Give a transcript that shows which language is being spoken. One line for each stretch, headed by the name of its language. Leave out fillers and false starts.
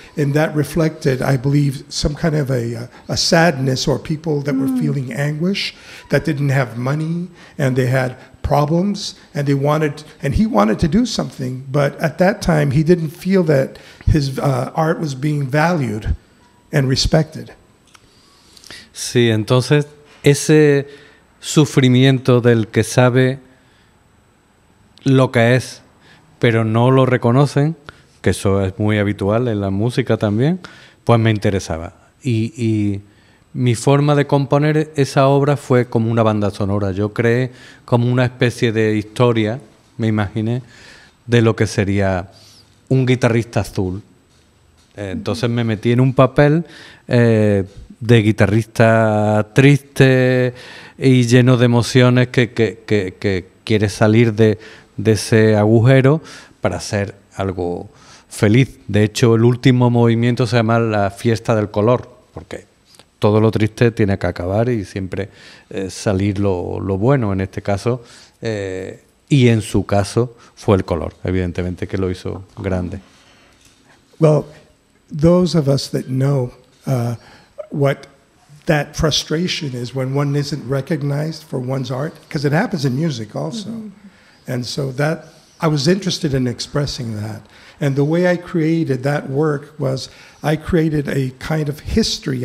English: And that reflected, I believe, some kind of a sadness, or people that were feeling anguish, that didn't have money and they had problems, and they wanted, and he wanted to do something, but at that time he didn't feel that his art was being valued and respected.
Spanish: Sí, entonces ese sufrimiento del que sabe lo que es, pero no lo reconocen, que eso es muy habitual en la música también, pues me interesaba. Y mi forma de componer esa obra fue como una banda sonora. Yo creé como una especie de historia, me imaginé, de lo que sería un guitarrista azul. Entonces me metí en un papel de guitarrista triste y lleno de emociones que quiere salir de ese agujero para hacer algo feliz. De hecho, el último movimiento se llama La fiesta del color, porque todo lo triste tiene que acabar y siempre salir lo bueno, en este caso, y en su caso, fue el color, evidentemente, que lo hizo grande.
English: Well, those of us that know what that frustration is when one isn't recognized for one's art, because it happens in music also. Mm-hmm. And so that, I was interested in expressing that. And the way I created that work was I created a kind of history.